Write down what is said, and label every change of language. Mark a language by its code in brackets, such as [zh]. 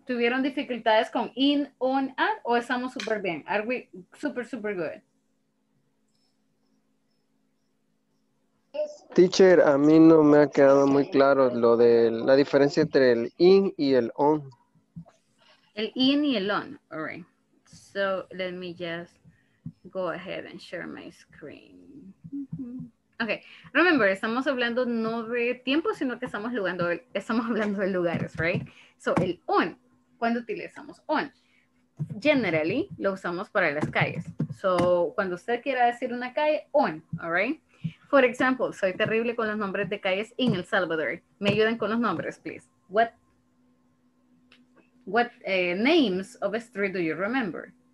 [es] ¿Tuvieron dificultades con in, on, at, o estamos super bien? [en] Are we super, super good? [es] Teacher, a mí no me ha quedado muy claro lo de la diferencia entre el in y el on. El in y el on, [en] all right. So let me just go ahead and share my screen. [es] Okay, remember, estamos hablando no de tiempo, sino que estamos hablando de lugares, right? So el on, ¿cuándo utilizamos on? Generally, lo usamos para las calles. So cuando usted quiera decir una calle, on, [en] all right? For example, [es] soy terrible con los nombres de calles en El Salvador. Me ayuden con los nombres, please. [en] What names of a street do you remember?